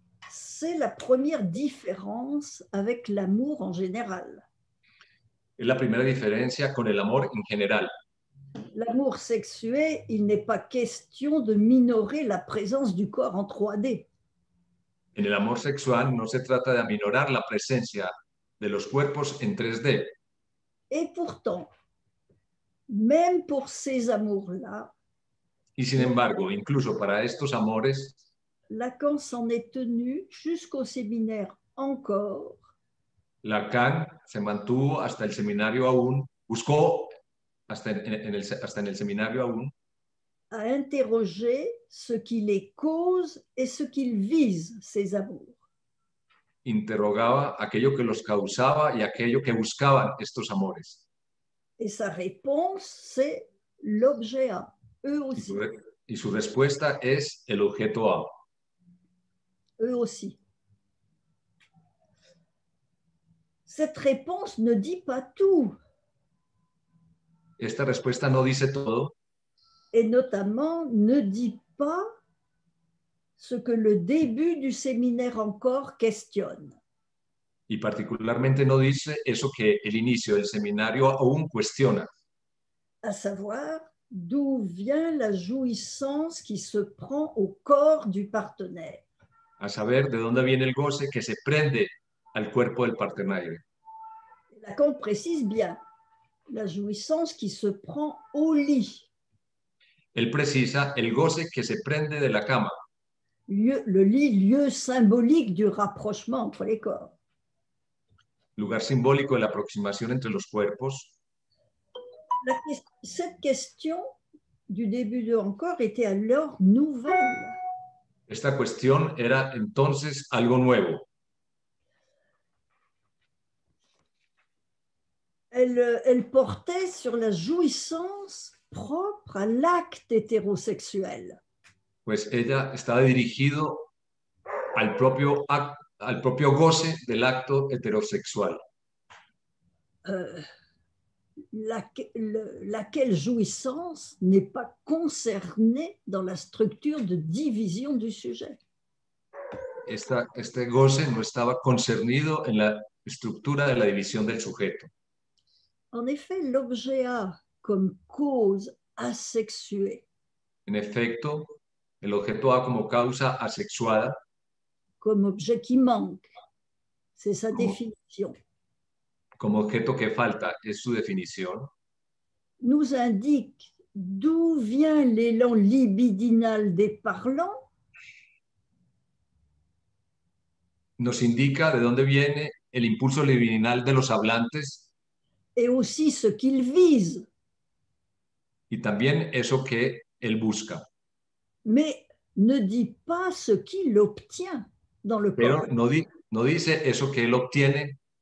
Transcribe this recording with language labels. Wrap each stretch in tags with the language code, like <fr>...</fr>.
<fr>C'est la première différence avec l'amour en général.</fr> <es>Es la primera diferencia con el amor en general.</es> <fr>L'amour sexué, il n'est pas question de minorer la présence du corps en 3D.</fr> <es>En el amor sexual no se trata de aminorar la presencia de los cuerpos en 3D.</es> <fr>Et pourtant, même pour ces amours-là,</fr> <es>y sin embargo, incluso para estos amores,</es> <fr>Lacan s'en est tenu jusqu'au séminaire encore.</fr> <es>Lacan se mantuvo hasta el seminario aún, buscó hasta en el seminario aún,</es> <fr>a interroger ce qui les cause et ce qu'il vise, ces amours.</fr> <es>Interrogaba aquello que los causaba y aquello que buscaban estos amores.</es> <fr>Et sa réponse, c'est l'objet A, eux aussi.</fr> <es>Y su respuesta es el objeto A.</es> <fr>Eux aussi. Cette réponse ne dit pas tout.</fr> <es>Esta respuesta no dice todo.</es> <fr>Et notamment ne dit pas ce que le début du séminaire encore questionne.</fr> <es>Y particularmente no dice eso que el inicio del seminario aún cuestiona.</es> <fr>À savoir, d'où vient la jouissance qui se prend au corps du partenaire.</fr> <es>A saber, de dónde viene el goce que se prende al cuerpo del partenaire.</es> <fr>Lacan précise bien la jouissance qui se prend au lit.</fr> <es>Él precisa el goce que se prende de la cama.</es> <fr>Le lit, lieu symbolique du rapprochement entre les corps.</fr> <es>Lugar simbólico de la aproximación entre los cuerpos.</es> <fr>Cette question du début de encore était alors nouvelle.</fr> <es>Esta cuestión era entonces algo nuevo.</es> <fr>Elle portait sur la jouissance propre à l'acte hétérosexuel.</fr> <es>Pues ella estaba dirigido al propio goce del acto heterosexual.</es> <fr>Laquelle jouissance n'est pas concernée dans la structure de division du sujet.</fr> <es>Este goce no estaba concernido en la estructura de la división del sujeto.</es> <fr>En effet, l'objet A comme cause asexuée.</fr> <es>En efecto, el objeto A como causa asexuada</es> <fr>comme objet qui manque. C'est sa définition.</fr> <es>Comme objeto que falta, es su definición.</es> <fr>Nous indique d'où vient l'élan libidinal des parlants.</fr> <es>Nos indica de dónde viene el impulso libidinal de los hablantes.</es> <fr>Et aussi ce qu'il vise.</fr> <es>Y también eso que él busca.</es> <fr>Mais ne dit pas ce qu'il obtient dans le corps.</fr> <es>Pero no dice eso que él obtiene</es>